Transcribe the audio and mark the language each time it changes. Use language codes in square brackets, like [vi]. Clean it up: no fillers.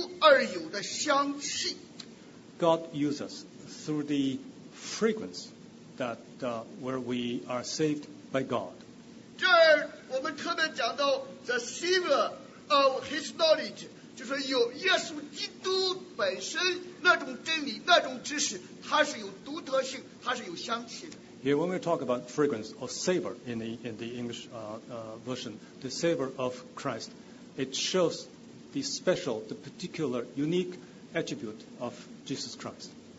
[zh] 上帝借着我们在各处显扬那因认识基督而有的相信。 [en] God uses us through the fragrance that where we are saved by God. [zh] 这儿我们特别讲到 [en] the savior of his knowledge， [zh] 就是有耶稣基督本身那种真理、那种知识，它是有独特性，它是有香气的。 [en] Here, when we talk about fragrance or savor in the English version, the savor of Christ, it shows the special, the particular, unique attribute of Jesus Christ.